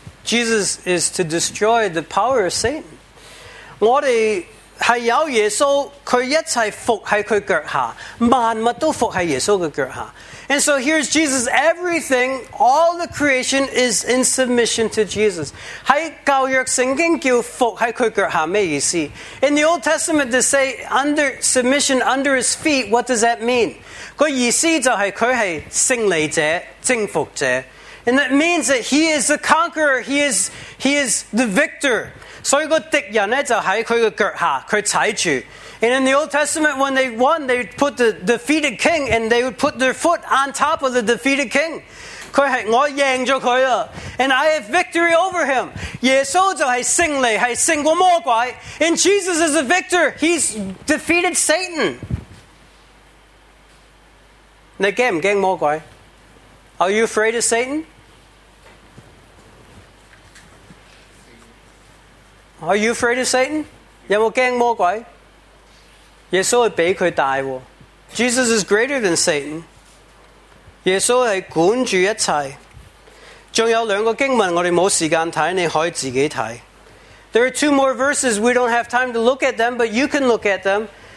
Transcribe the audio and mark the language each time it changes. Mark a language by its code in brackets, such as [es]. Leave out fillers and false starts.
[en] Jesus is to destroy the power of Satan. [zh] 我们是有耶稣，祂一切服在祂脚下，万物都服在耶稣的脚下。 [en] And so here's Jesus. Everything, all the creation is in submission to Jesus. [zh] 在旧约圣经叫服在祂脚下，什么意思？ [en] In the Old Testament, to say under submission under his feet, what does that mean? [zh] 意思就是祂是胜利者，征服者。 [en] And that means that he is the conqueror, he is the victor. [zh] 所以敌人就在他的脚下，他踩住。 [en] And in the Old Testament, when they won, they would put the defeated king, and they would put their foot on top of the defeated king. [zh] 他是我赢了他了, [en] and I have victory over him. [zh] 耶稣就是胜利，是胜过魔鬼。 [en] And Jesus is a victor. He's defeated Satan. [zh] 你怕不怕魔鬼？ [en] Are you afraid of Satan? Are you afraid of Satan? [zh] 有没有怕魔鬼？耶稣会比他大。 [en] Jesus is greater than Satan. [zh] 耶稣是管住一切。还有两个经文我们没时间看， 你可以自己看。 [en] There are two more verses. We don't have time to look at them, but you can look at them.